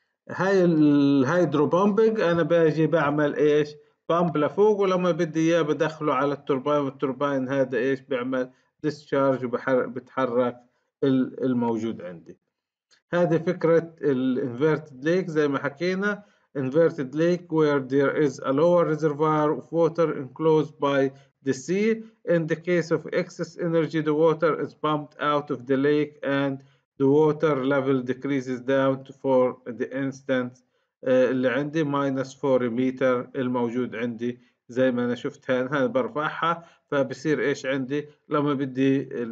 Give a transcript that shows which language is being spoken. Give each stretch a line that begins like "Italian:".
Arabic: هاي الهيدرو بامبينج انا باجي بعمل ايش بامب لفوق، ولما بدي اياه بدخله على التوربين، والتوربين هذا ايش بيعمل ديسشارج وبتحرك الموجود عندي. هذه فكرة الانفيرتد ليك زي ما حكينا.
English: Inverted lake where there is a lower reservoir of water enclosed by the sea. In the case of excess energy the water is pumped out of the lake and the water level decreases down to for the instance
Arabic: اللي عندي
English: minus 40 meter
Arabic: الموجود عندي زي ما انا شفت هان برفعها، فبصير ايش عندي لما بدي